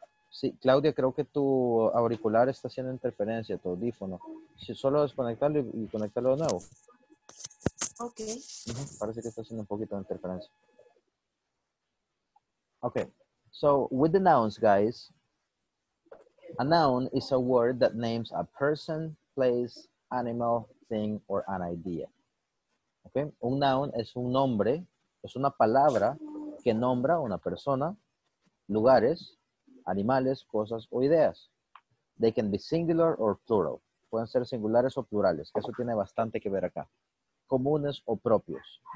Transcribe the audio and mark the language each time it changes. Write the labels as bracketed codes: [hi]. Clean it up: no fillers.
[es] Sí, Claudia, creo que tu auricular está haciendo interferencia, tu audífono. Si solo desconectarlo y conectarlo de nuevo. Ok. Parece que está haciendo un poquito de interferencia. Ok. [en] So, with the nouns, guys, a noun is a word that names a person, place, animal, thing, or an idea. Ok. [es] Un noun es un nombre, es una palabra que nombra a una persona, lugares, animales, cosas o ideas. [en] They can be singular or plural. [es] Pueden ser singulares o plurales. Eso tiene bastante que ver acá. Comunes o propios.